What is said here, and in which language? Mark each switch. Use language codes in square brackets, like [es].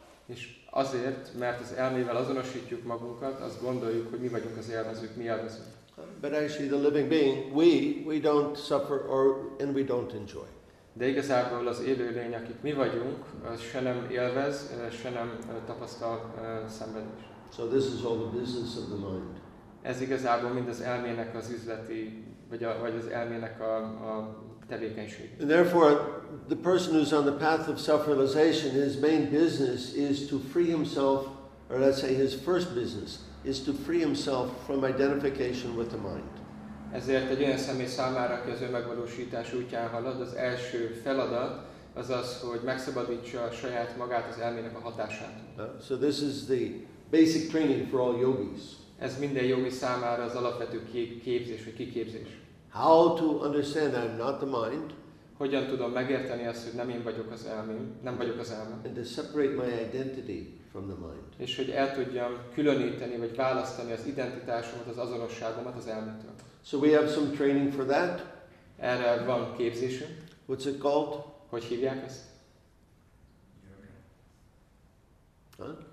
[hu] És azért, mert az elmével azonosítjuk magunkat, azt gondoljuk, hogy mi vagyunk az élvezők, mi élvezünk. [en] But actually, the living being, we don't suffer and we don't enjoy. [hu] De igazából az élőlény, akik mi vagyunk, az se nem élvez, se nem tapasztal szenvedést. [en] So this is all the business of the mind. [hu] Ez igazából mind az elmének az üzleti vagy az elmének a tevékenysége. [en] And therefore, the person who's on the path of self-realization, his main business is to free himself, or let's say his first business is to free himself from identification with the mind. [hu] Ezért egy olyan személy számára, aki az önmegvalósítás útján halad, az első feladat az az, hogy megszabadítsa saját magát az elmének a hatását. [en] So this is the basic training for all yogis. [hu] Ez minden jogi számára az alapvető képzés vagy kiképzés. [en] How to understand that I'm not the mind? [hu] Hogyan tudom megérteni azt, hogy nem én vagyok az elmém, nem vagyok az elme? [en] And to separate my identity from the mind. [hu] És hogy el tudjam különíteni vagy választani az identitásomat, az azonosságomat az elmétől. [en] So we have some training for that. [hu] Erre van képzésünk. [en] What's it called? [hu] Hogy hívják ezt? Huh?